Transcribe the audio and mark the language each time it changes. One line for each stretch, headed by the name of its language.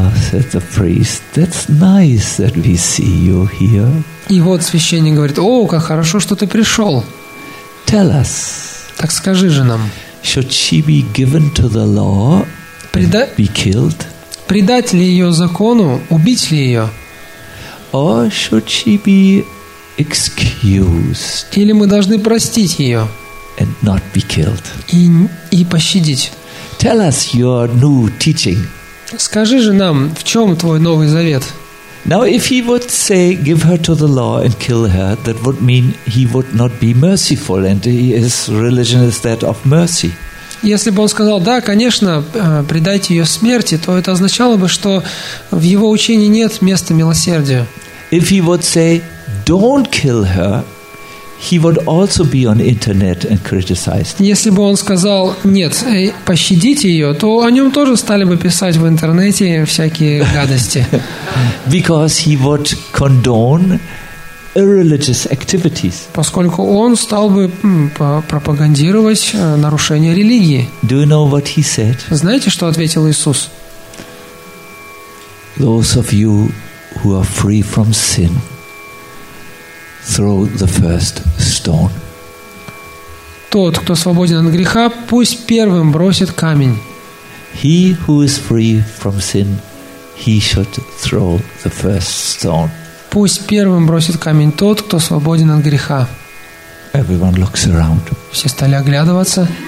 English: Said the priest, "That's nice that we see you here."
Russian: И вот священник говорит: о, как хорошо, что ты пришел.
English: Tell us.
Russian: Так скажи же нам.
English: Should she be given to the law? Be killed?
Russian: Предать ли ее закону? Убить ли ее?
English: Or should she be excused?
Russian: Или мы должны простить ее?
English: And not be killed.
Russian: И пощадить.
English: Tell us your new teaching.
Russian: Скажи же нам, в чем твой новый завет?
English: Now, if he would say, give her to the law and kill her, that would mean he would not be merciful, and his religion is that of mercy.
Russian: Если бы он сказал: да, конечно, предайте ее смерти, то это означало бы, что в его учении нет места милосердию.
English: If he would say, don't kill her, he would also be on internet and criticized.
Russian: Если бы он сказал: нет, пощадите ее, то о нем тоже стали бы писать в интернете всякие гадости.
English: Because he would condone irreligious activities.
Russian: Поскольку он стал бы пропагандировать нарушение религии.
English: Do you know what he said?
Russian: Знаете, что ответил Иисус?
English: Those of you who are free from sin, throw the first stone.
Russian: Тот, кто свободен от греха, пусть первым бросит камень.
English: He who is free from sin, he should throw the first stone.
Russian: Пусть первым бросит камень тот, кто свободен от греха.
English: Everyone looks around.
Russian: Все стали оглядываться.